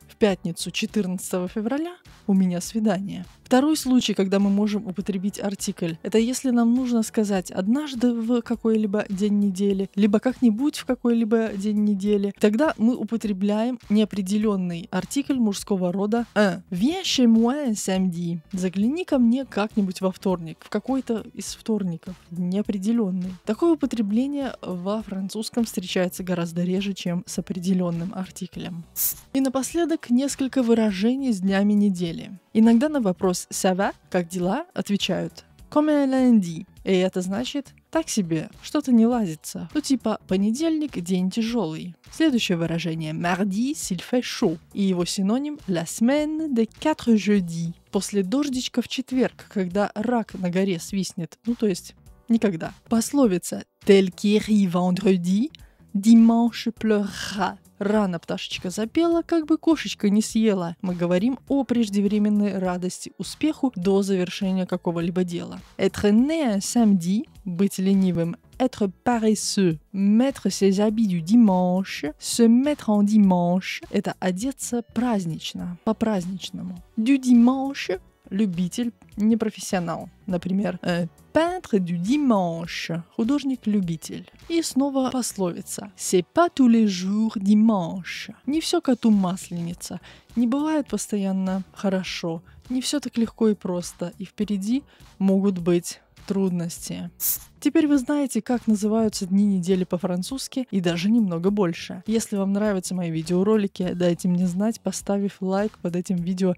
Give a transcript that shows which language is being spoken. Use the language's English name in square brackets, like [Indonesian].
[Russian] «В пятницу 14 февраля у меня свидание». Второй случай, когда мы можем употребить артикль, это если нам нужно сказать «однажды в какой-либо день недели», либо «как-нибудь в какой-либо день недели», тогда мы употребляем неопределенный артикль мужского рода «un». [French] «Viens chez moi un samedi». [Russian] «Загляни ко мне как-нибудь во вторник», в какой-то из вторников, неопределенный. Такое употребление во французском встречается гораздо реже, чем с определенным артиклем. И напоследок несколько выражений с днями недели. Иногда на вопрос [French] «Ça va?» [Russian] – «Как дела?» [French] – отвечают «Comme un lundi?» [Russian] И это значит «Так себе, что-то не лазится». Ну типа «Понедельник – день тяжелый». Следующее выражение [French] «Mardi, s'il fait chaud» [Russian] и его синоним [French] «La semaine de quatre jeudi». [Russian] «После дождичка в четверг, когда рак на горе свистнет». Ну то есть никогда. [French] Пословица «Tel qui rit vendredi, dimanche pleurera». [Russian] Рано пташечка запела, как бы кошечка не съела. Мы говорим о преждевременной радости, успеху до завершения какого-либо дела. [French] Être né un samedi, [Russian] быть ленивым. [French] Être paresseux, mettre ses habits du dimanche, se mettre en dimanche. [Russian] Это одеться празднично, по-праздничному. [French] Du dimanche, [Russian] любитель, не профессионал. [French] Например, peintre du dimanche, художник-любитель. [Russian] И снова пословица. [French] C'est pas tous les jours dimanche. [Russian] Не все коту масленица. Не бывает постоянно хорошо. Не все так легко и просто. И впереди могут быть трудности. Теперь вы знаете, как называются дни недели по-французски и даже немного больше. Если вам нравятся мои видеоролики, дайте мне знать, поставив лайк под этим видео.